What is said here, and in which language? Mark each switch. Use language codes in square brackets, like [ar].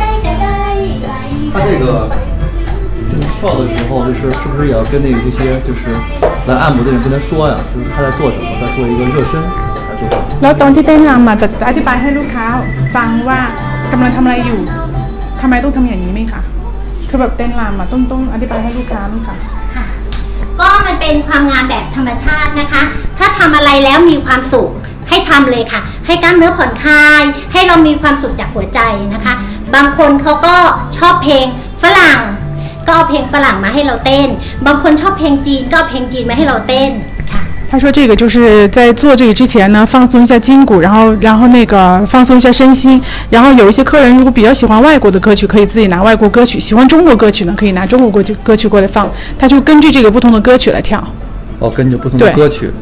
[zh] 他这个跳的时候，就是是不是也要跟那个这些就是？来按摩的人跟他说呀，就是他在做什么，在做一个热身，然后当天在那嘛，就 [th] อธิบายให้ลูกค้าฟังว่ากำลังทำอะไรอยู่ทำไมต้องทำอย่างนี้ไหมคะคือแบบเต้นรำมาต้องอธิบายให้ลูกค้าไหมคะ ค่ะก็มันเป็นความงามแบบธรรมชาตินะคะถ้าทำอะไรแล้วมีความสุขให้ทำเลยค่ะให้กล้ามเนื้อผ่อนคลายให้เรามีความสุขจากหัวใจนะคะบางคนเขาก็ชอบเพลงฝรั่งก็เพลงฝรั่งมาให้เราเต้นบางคนชอบเพลงจีนก็เพลงจีนมาให้เราเต้นค่ะ [zh] 他说这个就是在做这个之前呢放松一下筋骨然后那个放松一下身心然后有一些客人如果比较喜欢外国的歌曲可以自己拿外国歌曲喜欢中国歌曲呢可以拿中国歌曲过来放他就根据这个不同的歌曲来跳哦根据不同的歌曲